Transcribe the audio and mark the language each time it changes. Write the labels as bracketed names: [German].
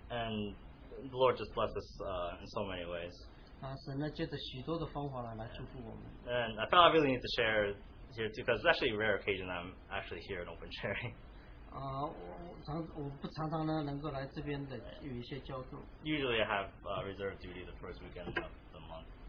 [English] And the Lord just blessed us in so many ways. [Chinese] 神呢借着许多的方法来祝福我们。 [English] And I thought I really need to share here too, because it's actually a rare occasion I'm actually here at Open Sharing. [Chinese] 我不常常呢能够来这边的有一些交流。 [English] Usually I have reserved duty the first weekend of the month.